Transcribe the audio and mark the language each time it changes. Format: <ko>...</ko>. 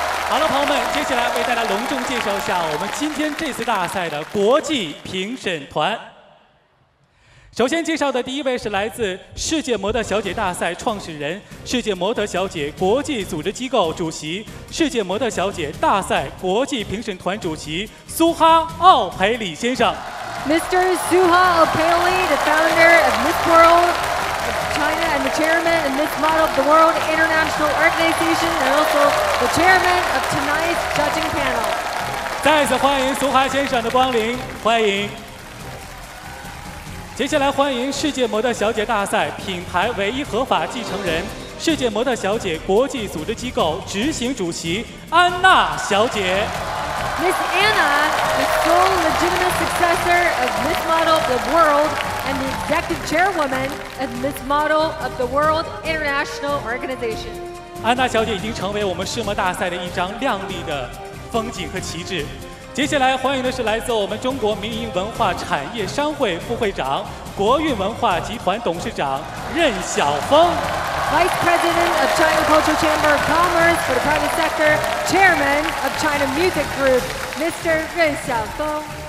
<zh>好了，朋友们，接下来为大家隆重介绍一下我们今天这次大赛的国际评审团。首先介绍的第一位是来自世界模特小姐大赛创始人、世界模特小姐国际组织机构主席、世界模特小姐大赛国际评审团主席苏哈·奥培里先生。</zh> <en>Mr. Suha Opaley, the founder of Miss World of China and the chairman and Miss Model of the World International Organization and also the chairman of tonight's judging panel.</en> <zh>再次欢迎苏哈先生的光临，欢迎。接下来欢迎世界模特小姐大赛品牌唯一合法继承人、世界模特小姐国际组织机构执行主席安娜小姐。</zh> <en>Miss Anna, the sole legitimate successor of Miss Model of the World and the executive chairwoman of Miss Model of the World International Organization.</en> <zh>安娜小姐已经成为我们世模大赛的一张亮丽的风景和旗帜。接下来欢迎的是来自我们中国民营文化产业商会副会长、国运文化集团董事长任晓峰。</zh> <en>Vice President of China Cultural Chamber of Commerce for the private sector, Chairman of China Music Group, Mr. 任晓峰。</en>